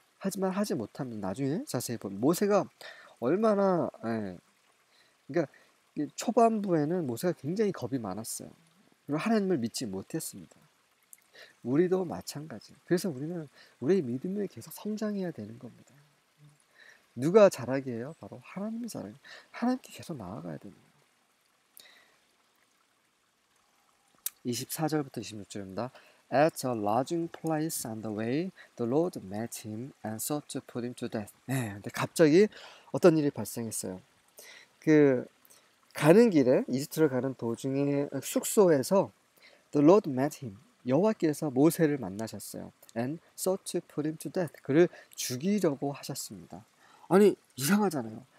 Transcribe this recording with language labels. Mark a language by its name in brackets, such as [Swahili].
[Korean] 하지만 하지 못합니다. 나중에 자세히 보면 모세가 얼마나 그러니까 초반부에는 모세가 굉장히 겁이 많았어요. 그리고 하나님을 믿지 못했습니다. 우리도 마찬가지. 그래서 우리는 우리의 믿음을 계속 성장해야 되는 겁니다. 누가 잘하게 해요? 바로 하나님이 잘하게. 하나님께 계속 나아가야 됩니다. 24절부터 26절입니다. [English] At a lodging place on the way, the Lord met him and sought to put him to death. [Korean] 네, 근데 갑자기 어떤 일이 발생했어요? 그 가는 길에 이집트로 가는 도중에 숙소에서 [English] the Lord met him. [Korean] 여호와께서 모세를 만나셨어요. And sought to put him to death. 그를 죽이려고 하셨습니다. 아니, 이상하잖아요.